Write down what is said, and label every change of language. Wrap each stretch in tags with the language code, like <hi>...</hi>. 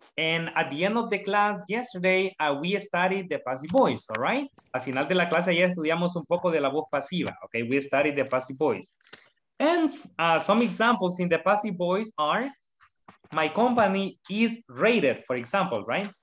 <en>And at the end of the class yesterday, we studied the passive voice, all right?</en> <es>Al final de la clase ayer estudiamos un poco de la voz pasiva, okay?</es> <en>We studied the passive voice. And some examples in the passive voice are, my company is rated, for example, right?</en>